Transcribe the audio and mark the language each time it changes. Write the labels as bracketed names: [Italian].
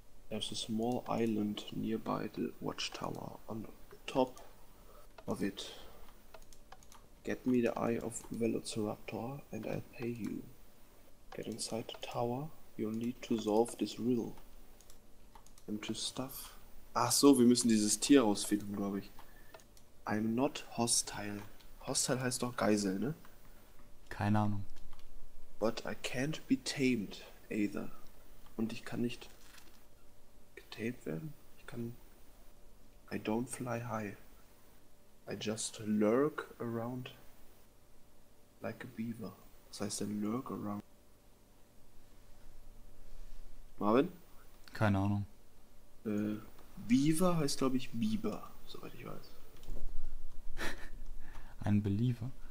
[English] There's a small island nearby the watchtower. On top of it, get me the eye of Velociraptor and I'll pay you. Get inside the tower, you'll need to solve this riddle. And to stuff. [German] Ach so, wir müssen dieses Tier rausfinden, glaube ich. [English] I'm not hostile. [German] Hostile heißt doch Geisel, ne? Keine Ahnung. [English] But I can't be tamed either. [German] Und ich kann nicht getamed werden. Ich kann. [English] I don't fly high. I just lurk around like a beaver. [German] Was heißt denn lurk around? Marvin? Keine Ahnung. Beaver heißt, glaube ich, Biber, soweit ich weiß. Ein Believer.